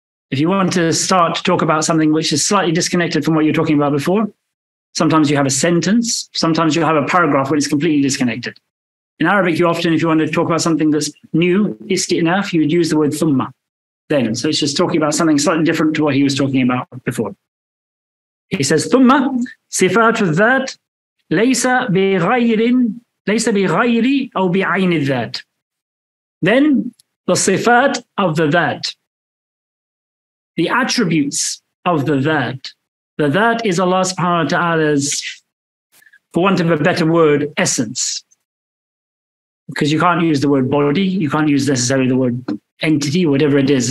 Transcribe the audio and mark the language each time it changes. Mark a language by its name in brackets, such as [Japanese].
[English] If you want to start to talk about something which is slightly disconnected from what you're talking about before, sometimes you have a sentence, sometimes you have a paragraph when it's completely disconnected. In Arabic, you often, if you want to talk about something that's new, istinaf, you would use the word thumma. Then, so it's just talking about something slightly different to what he was talking about before. He says, [Arabic] ثم صفات الذات ليس بغير أو بعين الذات. [English] Then the صفات of the ذات, the attributes of the ذات. The ذات is Allah subhanahu wa ta'ala's, for want of a better word, essence. Because you can't use the word body, you can't use necessarily the word entity, whatever it is.